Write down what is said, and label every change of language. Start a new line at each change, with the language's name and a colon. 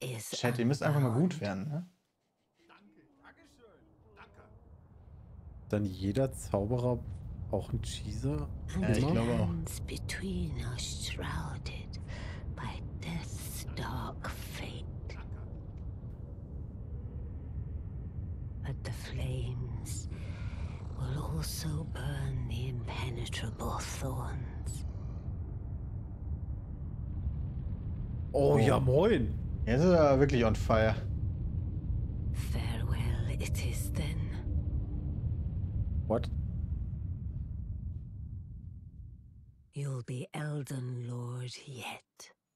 German: Chat, ihr müsst einfach mal gut werden, ne? Danke, danke schön, danke. Dann jeder Zauberer auch ein Cheeser? Ja, ich glaube auch.
English: Between us shrouded by death's dark fate. But the flames will also burn the impenetrable thorns.
German: Oh, oh. Ja, moin! Jetzt ist er wirklich on fire.
English: Farewell it is then. What? You'll be Elden Lord yet.